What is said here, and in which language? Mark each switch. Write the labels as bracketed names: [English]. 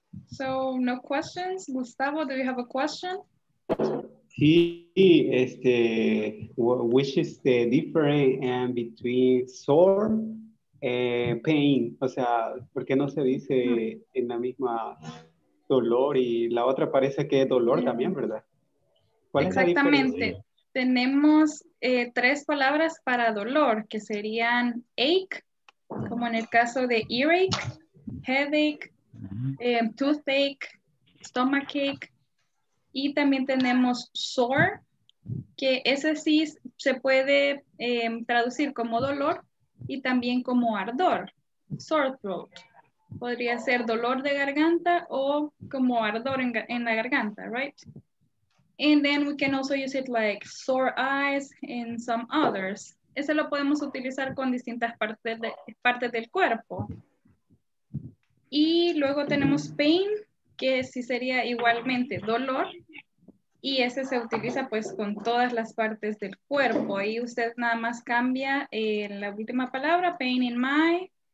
[English] So no questions. Gustavo, do you have a question? [Spanish] Sí, este, [English] which is the difference between sore and pain? [Spanish] O sea, ¿por qué no se dice en la misma dolor y la otra parece que es dolor también, ¿verdad? ¿Cuál exactamente es la diferencia? Tenemos tres palabras para dolor que serían ache, como en el caso de earache, headache, toothache, stomachache, y también tenemos sore, que ese sí se puede traducir como dolor y también como ardor, sore throat. Podría ser dolor de garganta o como ardor en la garganta, [English] right? And then we can also use it like sore eyes and some others. [Spanish] Ese lo podemos utilizar con distintas partes del cuerpo. Y luego tenemos pain, que sí sería igualmente dolor. Y ese se utiliza pues con todas las partes del cuerpo. Ahí usted nada más cambia la última palabra, [English] pain in my...